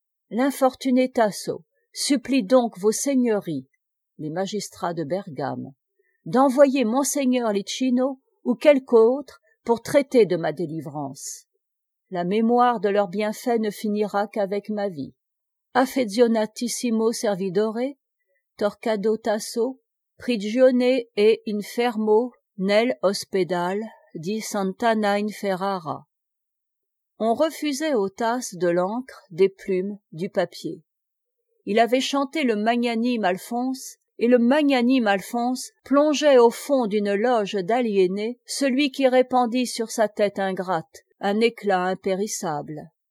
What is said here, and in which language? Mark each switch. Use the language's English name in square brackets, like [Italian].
[French] L'infortuné Tasso supplie donc vos seigneuries, les magistrats de Bergame, d'envoyer Monseigneur Licino ou quelque autre pour traiter de ma délivrance. La mémoire de leurs bienfaits ne finira qu'avec ma vie. [Italian] Affezionatissimo servidore, Torquato Tasso, prigione e infermo nel ospedal di Sant'Anna in Ferrara. [French] On refusait aux Tasso de l'encre, des plumes, du papier. Il avait chanté le magnanime Alphonse, et le magnanime Alphonse plongeait au fond d'une loge d'aliénés celui qui répandit sur sa tête ingrate un éclat impérissable.